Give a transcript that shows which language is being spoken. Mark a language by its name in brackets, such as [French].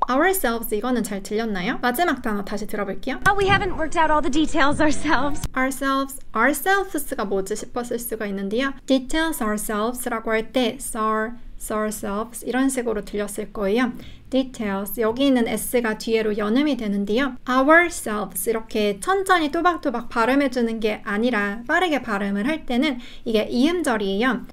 [Korean] Ourselves 이거는 잘 들렸나요? 마지막 단어 다시 들어볼게요. [English] We haven't worked out all the details ourselves. [Korean] Ourselves가 뭐지 싶었을 수가 있는데요. [English] Details ourselves [Korean] 라고 할 때 ourselves 이런 식으로 들렸을 거예요. Details 여기 있는 s가 뒤로 연음이 되는데요. Ourselves 이렇게 천천히 또박또박 발음해주는 게 아니라 빠르게 발음을 할 때는 이게 이음절이에요.